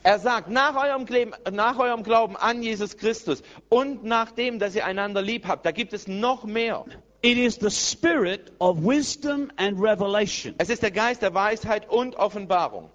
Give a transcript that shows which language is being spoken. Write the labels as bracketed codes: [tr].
[de] Er sagt, nach eurem Glauben an Jesus Christus und nachdem, dass ihr einander lieb habt, da gibt es noch mehr. [en] It is the spirit of wisdom and revelation. [de] Es ist der Geist der Weisheit und Offenbarung.